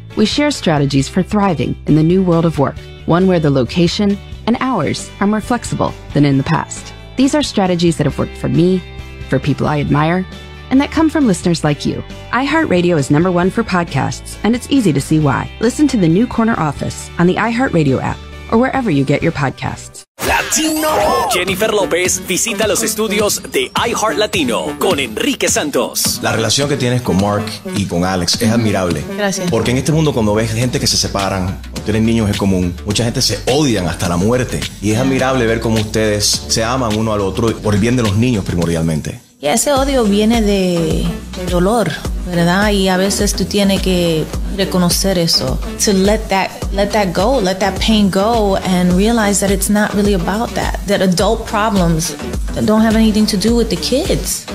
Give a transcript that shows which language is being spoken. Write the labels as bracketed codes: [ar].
[en] We share strategies for thriving in the new world of work, one where the location and hours are more flexible than in the past. These are strategies that have worked for me, for people I admire, and that come from listeners like you. iHeartRadio is number one for podcasts, and it's easy to see why. Listen to The New Corner Office on the iHeartRadio app, or wherever you get your podcasts. [es] Latino. Jennifer López visita los estudios de iHeart Latino con Enrique Santos. La relación que tienes con Mark y con Alex es admirable. Gracias. Porque en este mundo, cuando ves gente que se separan o tienen niños en común, mucha gente se odian hasta la muerte. Y es admirable ver cómo ustedes se aman uno al otro por el bien de los niños primordialmente. Y ese odio viene de dolor, ¿verdad? Y a veces tú tienes que reconocer eso. [en] To let that go, let that pain go and realize that it's not really about that. That adult problems don't have anything to do with the kids.